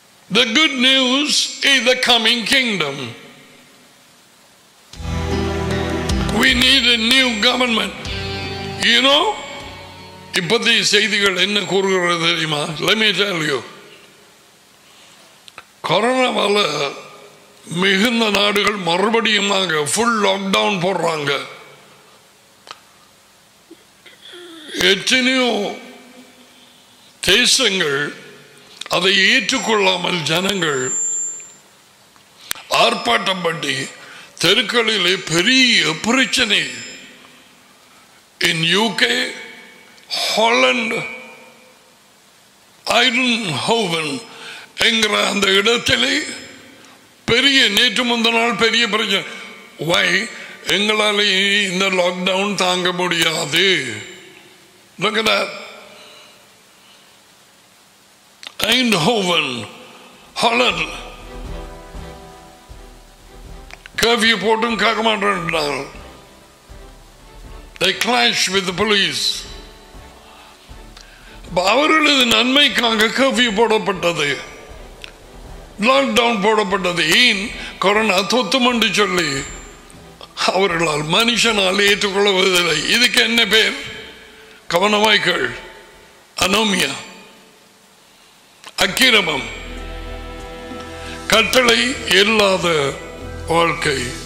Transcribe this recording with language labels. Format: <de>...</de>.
<en>The good news is the coming kingdom. We need a new government. You know?</en> <ta>இப்பத்தி செய்திகள் என்ன கூறுகிறது தெரியுமா?</ta> <en>Let me tell you.</en> <ta>கொரோனாவால் மிகுந்த நாடுகள் மறுபடியும் நாங்கள் ஃபுல் லாக்டவுன் போடுறாங்க. எத்தனையோ தேசங்கள் அதை ஏற்றுக்கொள்ளாமல் ஜனங்கள் ஆர்ப்பாட்டம் பண்ணி தெருக்களிலே பெரிய பிரச்சனை.</ta> <en>in UK,</en> <ta>ஹாலண்ட், ஐடன்ஹோவன் என்கிற அந்த இடத்திலே பெரிய நேற்று முந்தின நாள் பெரிய பிரச்சனை. வை எங்களால் இனி இந்த லாக்டவுன் தாங்க முடியாது.</ta> <en>Look at that.</en> <ta>ஐடன்ஹோவன், Haaland curfew போட்டும் கேட்க மாட்டேன்.</ta> <en>They clash with the police.</en> <ta>அவர்களது நன்மைக்காக கர்ஃபியூ போடப்பட்டது, லாக்டவுன் போடப்பட்டது. ஏன்? கொரோனா தொத்துமண்டு சொல்லி அவர்களால் மனுஷனால் ஏற்றுக்கொள்ளவதில்லை. இதுக்கு என்ன பேர்? கவனமாய்கள், அனோமியா, அக்கிரமம், கட்டளை இல்லாத வாழ்க்கை.</ta>